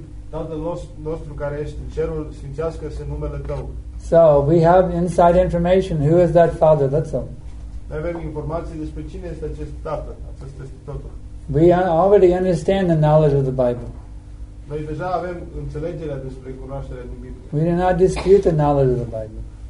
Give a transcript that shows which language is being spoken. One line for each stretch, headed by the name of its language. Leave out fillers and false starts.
Romanian: Tatăl nostru care ești în cerul, sfințească-se numele tău.
English: So, we have inside information. Who is that father? That's all.
Romanian: Avem informații despre cine este acest tată, acest este totul.
English: We already understand the knowledge of the Bible.
Romanian: Noi deja avem înțelegerea despre cunoașterea din Biblie.
English: We do not dispute the knowledge of the Bible.